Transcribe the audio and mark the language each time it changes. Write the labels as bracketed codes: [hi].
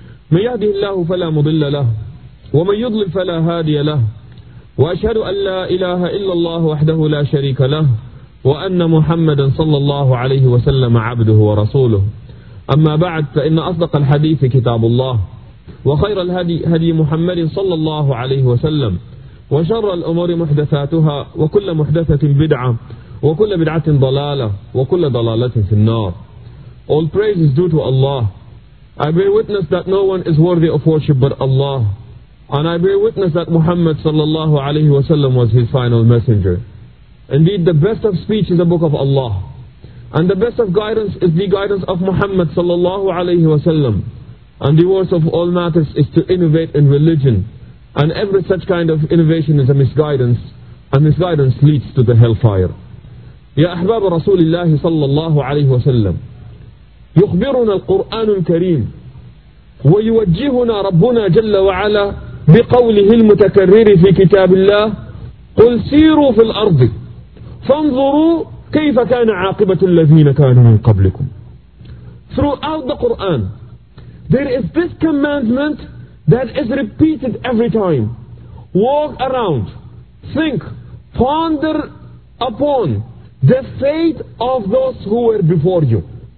[ar] من يهده الله فلا مضل له، ومن يضلل فلا هادي له، وأشهد أن لا إله إلا الله وحده لا شريك له، وأن محمدا صلى الله عليه وسلم عبده ورسوله. أما بعد، فإن أصدق الحديث كتاب الله، وخير الهدي هدي محمد صلى الله عليه وسلم، وشر الأمور محدثاتها، وكل محدثة بدعة، وكل بدعة ضلالة، وكل ضلالة في النار. [en] All praise is due to Allah. I bear witness that no one is worthy of worship but Allah. And I bear witness that Muhammad sallallahu alayhi wa sallam was his final messenger. Indeed, the best of speech is the book of Allah. And the best of guidance is the guidance of Muhammad sallallahu alayhi wa sallam. And the worst of all matters is to innovate in religion. And every such kind of innovation is a misguidance. And misguidance leads to the hellfire. [ar] يا أحباب رسول الله صلى الله عليه وسلم، يخبرنا القرآن الكريم ويوجهنا ربنا جل وعلا بقوله المتكرر في كتاب الله: قل سيروا في الأرض فانظروا كيف كان عاقبة الذين كانوا من قبلكم. [en] Throughout the Quran, there is this commandment that is repeated every time: walk around, think, ponder upon the fate of those who were before you.